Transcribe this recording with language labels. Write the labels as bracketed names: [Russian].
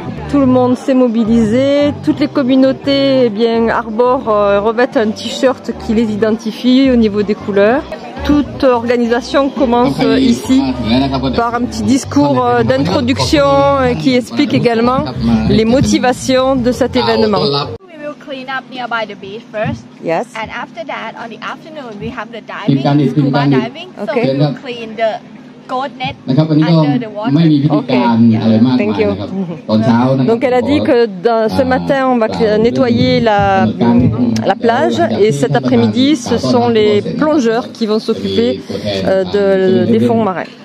[French] Tout le monde s'est mobilisé, toutes les communautés revêtent un t-shirt qui les identifie au niveau des couleurs. Toute organisation commence ici par un petit discours d'introduction qui explique également les motivations de cet événement. [English] Clean up nearby the beach first. Yes. And after that, on the afternoon, we have the diving, scuba diving. Okay. So we clean the cord net under the water. Okay. Yeah. Thank you. [French] Donc elle a dit que ce matin on va nettoyer la plage et cet après-midi ce sont les plongeurs qui vont s'occuper des fonds marins.